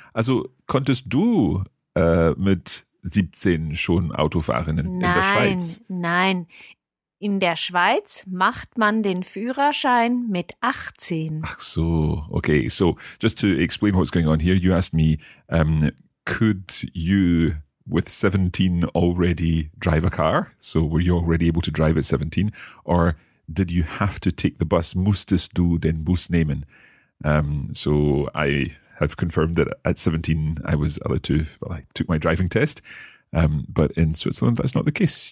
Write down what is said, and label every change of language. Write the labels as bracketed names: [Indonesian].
[German] Also konntest du mit 17 schon Auto fahren in der Schweiz? Nein. In der Schweiz macht man den Führerschein mit 18. Ach so, okay. [English] So, just to explain what's going on here, you asked me, could you, with 17, already drive a car? So were you already able to drive at 17? Or did you have to take the bus? [German] Musstest du den Bus nehmen? [English] So I have confirmed that at 17 I was allowed to, well, I took my driving test. But in Switzerland, that's not the case.